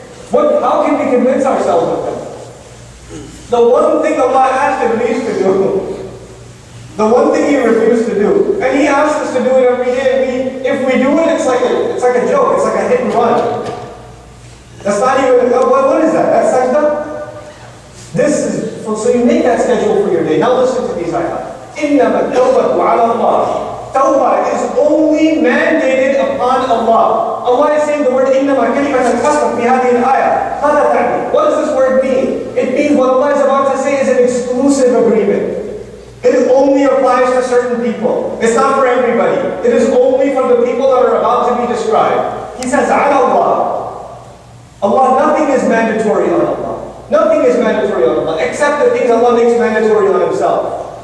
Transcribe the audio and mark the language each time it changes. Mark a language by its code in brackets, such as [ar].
[en] How can we convince ourselves of that? The one thing Allah asked and refused to do, the one thing He refused to do, and He asked us to do it every day, and if we do it, it's like a joke, it's like a hit and run. That's not even, what is that? That's sajda? This is, so you make that schedule for your day. Now listen to these ayahs. [ar] إِنَّمَا التَّوْبَةُ عَلَى اللَّهِ. [en] Tawbah is only mandated upon Allah. Allah is saying the word [ar] إِنَّمَا كَلِمَا تَكَسَّمْ فِي هَذِي الْآيَةِ. [en] What does this word mean? It means what Allah is about to say is an exclusive agreement. It only applies to certain people. It's not for everybody. It is only for the people that are about to be described. He says, [ar] عَلَى اللَّهِ. [en] Allah, nothing is mandatory on Allah. Nothing is mandatory on Allah, except the things Allah makes mandatory on Himself.